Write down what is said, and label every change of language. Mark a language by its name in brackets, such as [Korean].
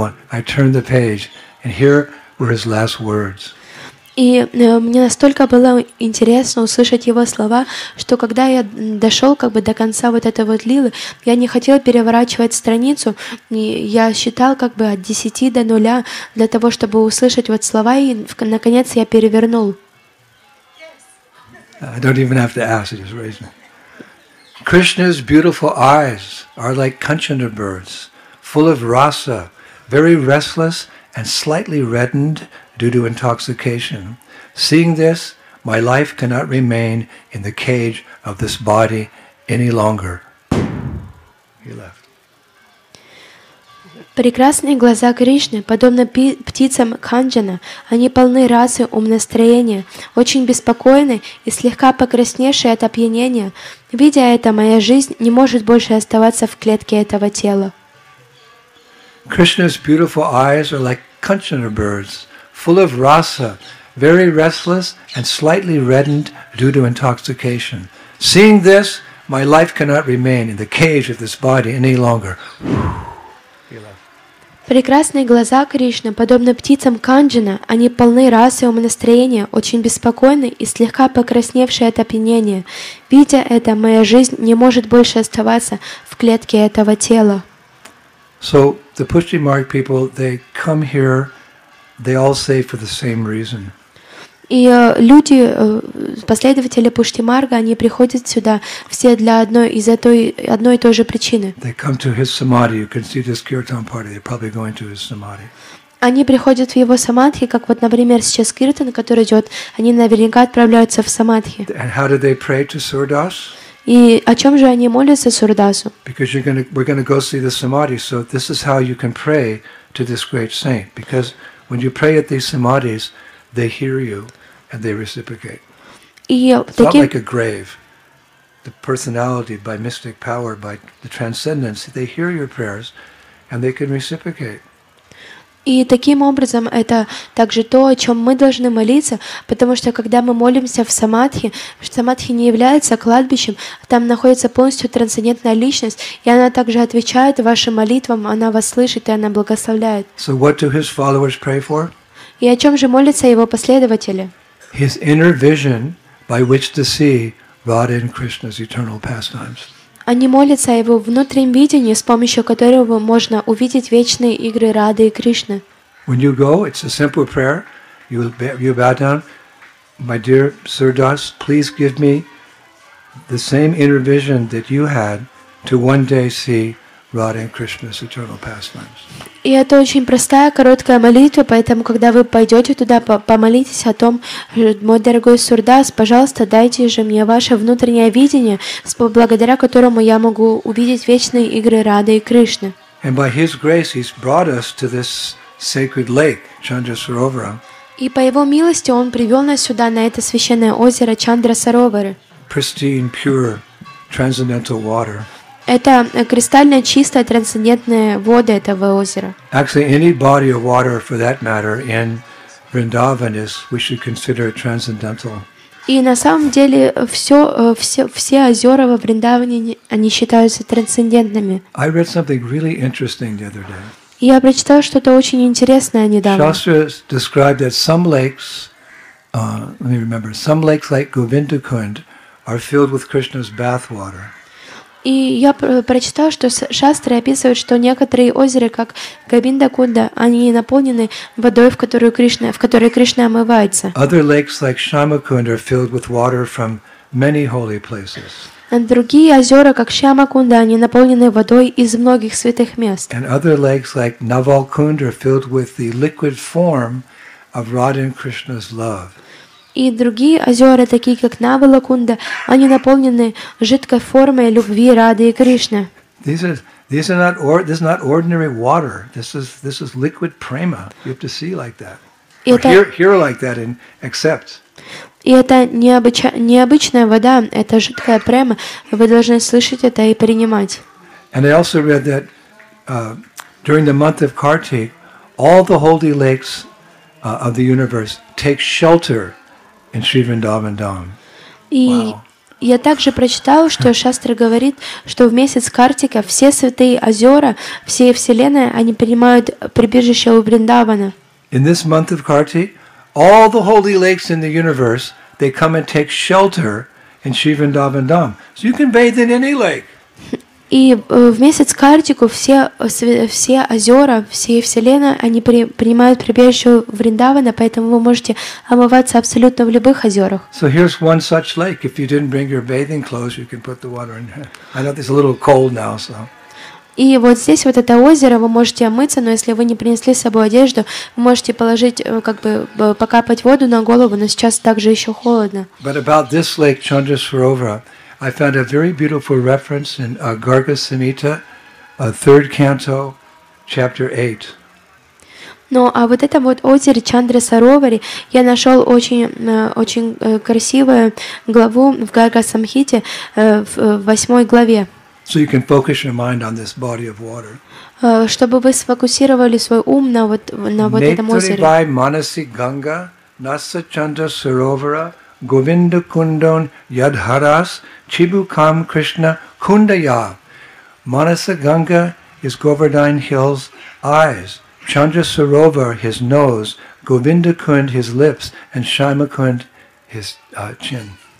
[English] I turned the page, and here were his last words. [Russian] И мне настолько было интересно услышать его слова, что когда я дошел как бы до конца вот этой вот лилы, я не хотел переворачивать страницу, и я считал как бы от 10 до 0 для того, чтобы услышать вот слова, и наконец я перевернул. [English] I don't even have to ask, just raise me. Krishna's beautiful eyes are like Kanchana birds, full of rasa, very restless and slightly reddened due to intoxication. Seeing this, my life cannot remain in the cage of this body any longer. He left. [Russian] Прекрасные глаза Кришны, подобно птицам Канджана, они полны расы умонастроения, очень беспокойны и слегка покрасневшие от опьянения. Видя это, моя жизнь не может больше оставаться в клетке этого тела. [English] Krishna's beautiful eyes are like Kanchana birds, full of rasa, very restless and slightly reddened due to intoxication. Seeing this, my life cannot remain in the cage of this body any longer. [Russian] Прекрасные глаза Кришны, подобно птицам Канджана, они полны расы умонастроения, очень беспокойны и слегка покрасневшие от опьянения. Видя это, моя жизнь не может больше оставаться в клетке этого тела. [English] So the Pushyamarg people, they come here. They all say for the same reason. [Russian] И люди, последователи Пуштимарга, они приходят сюда все для одной и той же причины. [English] They come to his samadhi. You can see this kirtan party. They're probably going to his samadhi. [Russian] Они приходят в его самадхи, как вот, например, сейчас киртан, который идет. Они наверняка отправляются в самадхи. [English] And how do they pray to Сурдас? [Russian] И о чем же они молятся Сурдасу? [English] Because we're going to go see the samadhi. So this is how you can pray to this great saint. Because when you pray at these samadhis, they hear you and they reciprocate. It's not like a grave. The personality by mystic power, by the transcendence, they hear your prayers and they can reciprocate. [Russian] И таким образом это также то, о чем мы должны молиться, потому что когда мы молимся в самадхи, самадхи не является кладбищем, там находится полностью трансцендентная личность, и она также отвечает вашим молитвам, она вас слышит и она благословляет. [English] So what do his followers pray for? [Russian] И о чем же молятся его последователи? [English] His inner vision, by which to see Radha and Krishna's eternal pastimes. [Russian] Они молятся о его внутреннем видении, с помощью которого можно увидеть вечные игры Рады и Кришны. [English] When you go, it's a simple prayer. You bow down. My dear Сурдас, please give me the same inner vision that you had to one day see Radha and Krishna's eternal pastimes. [Russian] И это очень простая короткая молитва, поэтому когда вы пойдете туда, помолитесь о том, мой дорогой Сурдас, пожалуйста, дайте же мне ваше внутреннее видение, благодаря которому я могу увидеть вечные игры Рады и Кришны. [English] And by His grace, He's brought us to this sacred lake, Chandrasarovara. [Russian] И по Его милости Он привел нас сюда, на это священное озеро Чандрасаровары. [English] Pristine, pure, transcendental water. [Russian] Это кристально чистая, трансцендентная вода этого озера. [English] Actually, any body of water, for that matter, in Vrindavan is, we should consider it transcendental. [Russian] И на самом деле все озера во Вриндаване, они считаются трансцендентными. [English] I read something really interesting the other day. [Russian] Я прочитал что-то очень интересное недавно. [English] Shastra described that some lakes, some lakes like Govindakund are filled with Krishna's bath water. [Russian] И я прочитал, что Шастры описывают, что некоторые озера, как Говиндакунда, они наполнены водой, в которой Кришна омывается. [English] Other lakes like Shyamakund are filled with water from many holy places. [Russian] Другие озера, как Шьямакунда, они наполнены водой из многих святых мест. [English] And other lakes like Navalkund are filled with the liquid form of Radha and Krishna's love. [Russian] И другие озера, такие как Навалакунда, они наполнены жидкой формой любви Рады и Кришны. [English] This is not ordinary water. This is liquid prema. You have to see like that. Hear like that and accept. [Russian] И это необычная вода, это жидкая према. Вы должны слышать это и принимать. [English] And I also read that during the month of Kartik, all the holy lakes of the universe take shelter in Sri Vrindavan Dham. [Russian] И я также прочитал, что Шастра говорит, что в месяц Картика все святые озера, все вселенная, они принимают прибежище у Вриндавана. [English] In this month of Kartik, all the holy lakes in the universe, they come and take shelter in Sri Vrindavan Dham. So you can bathe in any lake. [Russian] И в месяц Картику все озера, все вселенная, они принимают прибежище у Вриндавана, поэтому вы можете омываться абсолютно в любых озерах. [English] So here's one such lake. If you didn't bring your bathing clothes, you can put the water in. I know it's a little cold now, so. [Russian] И вот здесь вот это озеро, вы можете омыться, но если вы не принесли с собой одежду, вы можете положить, как бы покапать воду на голову, но сейчас также еще холодно. [English] But about this lake, Chandrasarovara, I found a very beautiful reference in Garga Samhita, third canto, chapter 8. [Russian] Ну, а вот это вот озеро Чандрасаровари, я нашел очень красивую главу в Гарга Самхите, в 8 главе. [English] So you can focus your mind on this body of water. [Russian] Чтобы вы сфокусировали свой ум на вот этом озере. [Sanskrit] Netaribai Manasi Ganga Nasa Chandrasarovara Govinda Kundon Yadharas Chibukam Krishna Kundaya. [English] Manasa Ganga is Govardhan Hill's eyes, Chandrasarovar his nose, Govinda Kund his lips, and Shyamakund his chin.